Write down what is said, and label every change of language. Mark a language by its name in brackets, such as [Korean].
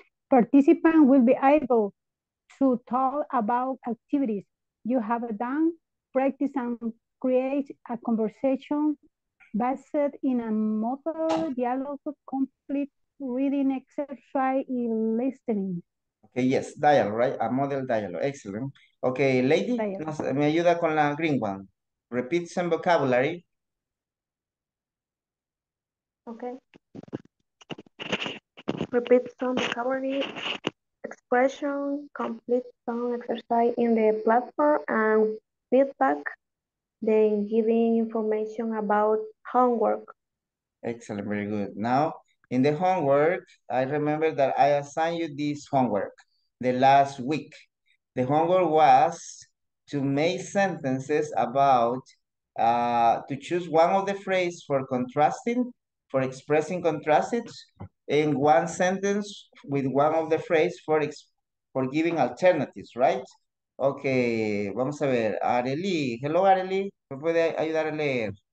[English] Participants will be able to talk about activities you have done, practice and create a conversation based in a model dialogue, complete reading exercise and listening. Okay, yes, dialogue, right? A model dialogue, excellent. Okay, lady, [Spanish] me ayuda con la [English] green one. Repeat some vocabulary. Okay. Repeat some vocabulary, expression, complete some exercise in the platform, and feedback, then giving information about homework. Excellent, very good. Now, in the homework, I remember that I assigned you this homework the last week. The homework was to make sentences about, to choose one of the phrases for contrasting, for expressing contrasted, in one sentence with one of the phrases for giving alternatives, right? [Spanish] Okay, vamos a ver, Areli, hello Areli, ¿me puede ayudar a leer?